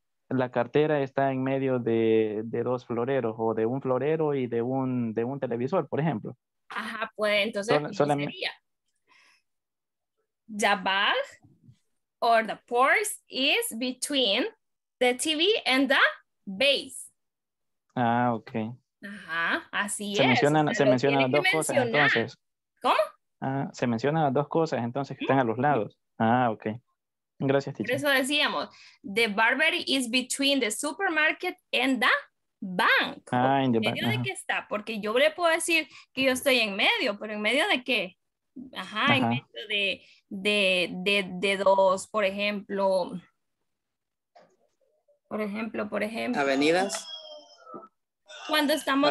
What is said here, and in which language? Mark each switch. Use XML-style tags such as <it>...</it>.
<es>la cartera está en medio de dos floreros, o de un florero y de un televisor, por ejemplo. Ajá, pues entonces, solamente sería?</es> <en>The bag or the purse is between the TV and the vase. Ah, ok.</en> <es>Ajá, así se es. Se menciona las dos cosas, entonces. ¿Cómo? Ah, se menciona las dos cosas, entonces, que están a los lados. Ah, ok. Gracias, teacher. Por eso decíamos,</es> <en>the barber is between the supermarket and the bank.</en> <es>Ah, en medio de qué está, porque yo le puedo decir que yo estoy en medio, pero ¿en medio de qué? Ajá, ajá. En medio de dos, por ejemplo. Avenidas. Cuando estamos.</es>